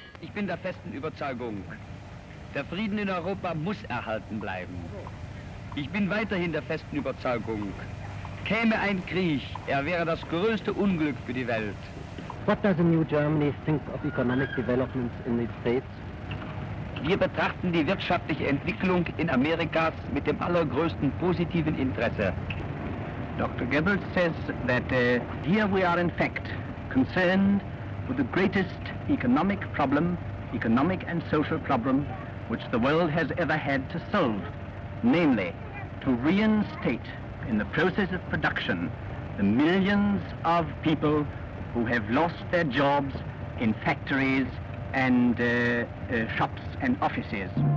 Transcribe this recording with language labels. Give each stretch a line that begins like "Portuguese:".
German: Ich bin der festen Überzeugung, der Frieden in Europa muss erhalten bleiben. Ich bin weiterhin der festen Überzeugung, käme ein Krieg, wäre das größte Unglück für die Welt.
English: What does the new Germany think of economic developments in the States?
German: Wir betrachten die wirtschaftliche Entwicklung in Amerika mit dem allergrößten positiven Interesse.
English: Dr. Goebbels says that here we are in fact concerned with the greatest economic problem, economic and social problem, which the world has ever had to solve, namely to reinstate in the process of production the millions of people who have lost their jobs in factories and shops and offices.